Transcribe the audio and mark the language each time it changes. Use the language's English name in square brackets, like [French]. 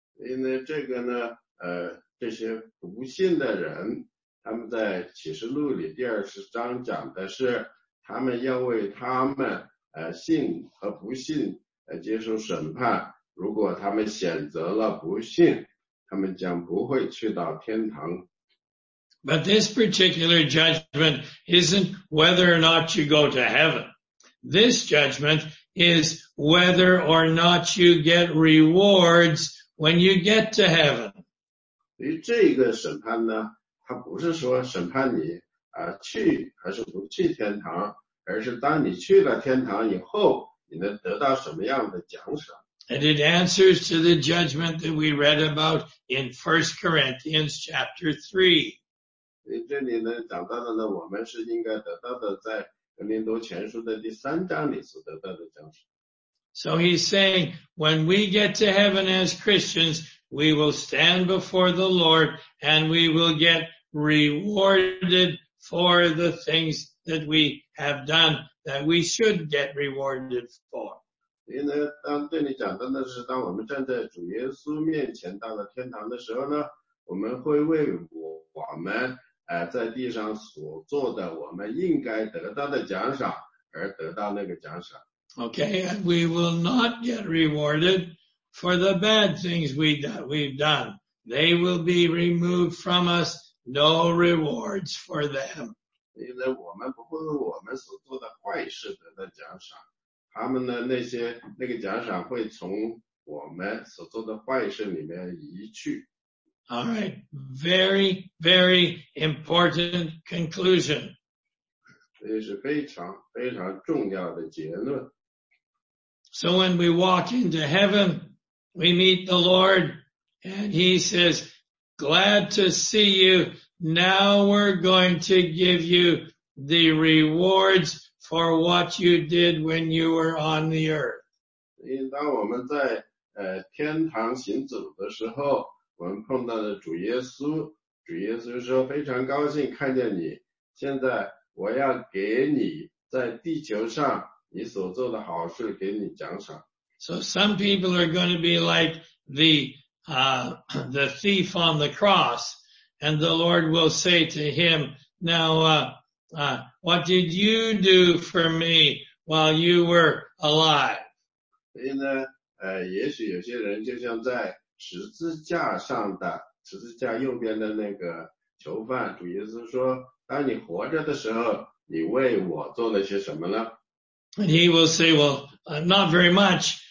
[Chinese] 因为这个呢，这些不信的人，他们在启示录里第二十章讲的是，他们要为他们信和不信接受审判，如果他们选择了不信，他们将不会去到天堂。 [English] But this particular judgment isn't whether or not you go to heaven. This judgment is whether or not you get rewards when you get to heaven. [Chinese] 所以这个审判呢，它不是说审判你去还是不去天堂。而是当你去了天堂以后，你能得到什么样的奖赏。 [English] And it answers to the judgment that we read about in 1 Corinthians chapter 3. [Chinese] 这里呢，讲到的呢，我们是应该得到的在格林多前书的第三章里所得到的奖赏。 [English] So he's saying, when we get to heaven as Christians, we will stand before the Lord and we will get rewarded for the things that we have done, that we should get rewarded for. [Chinese] 所以呢，当对你讲的呢是，当我们站在主耶稣面前到了天堂的时候呢，我们会为我们在地上所做的，我们应该得到的奖赏而得到那个奖赏。 [English] Okay, and we will not get rewarded for the bad things we've done. They will be removed from us. No rewards for them. [Chinese] 所以呢，我们不会为我们所做的坏事得到奖赏，他们呢，那个奖赏会从我们所做的坏事里面移去。 [English] All right, very, very important conclusion. [Chinese] 这是非常非常重要的结论。 [English] So when we walk into heaven, we meet the Lord, and He says, "Glad to see you." Now we're going to give you the rewards for what you did when you were on the earth. [Chinese] 当我们在天堂行走的时候，我们碰到了主耶稣，主耶稣说非常高兴看见你，现在我要给你在地球上你所做的好事给你奖赏。 [English] So some people are going to be like the thief on the cross. And the Lord will say to him, now, what did you do for me while you were alive? [Chinese] 所以呢，也许有些人就像在十字架上的，十字架右边的那个囚犯，主耶稣说，当你活着的时候，你为我做了些什么呢？ [English] And he will say, well, not very much.